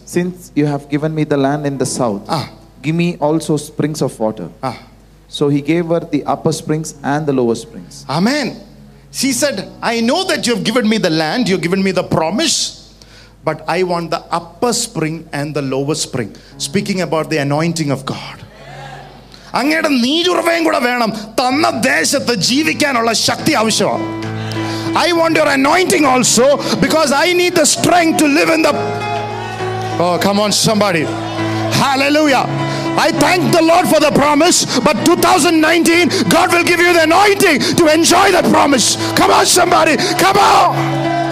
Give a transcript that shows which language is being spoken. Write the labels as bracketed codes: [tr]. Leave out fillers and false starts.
[en] Since you have given me the land in the south, give me also springs of water. So he gave her the upper springs and the lower springs. Amen. She said, I know that you have given me the land, you have given me the promise, but I want the upper spring and the lower spring. Speaking about the anointing of God. [ml] അങ്ങയുടെ നീരുറവയും കൂടെ വേണം തന്ന ദേശത്ത് ജീവിക്കാനുള്ള ശക്തി ആവശ്യമാണ്. [en] I want your anointing also, because I need the strength to live in the... Oh, come on somebody. Hallelujah. I thank the Lord for the promise, but 2019, God will give you the anointing to enjoy that promise. Come on somebody. Come on.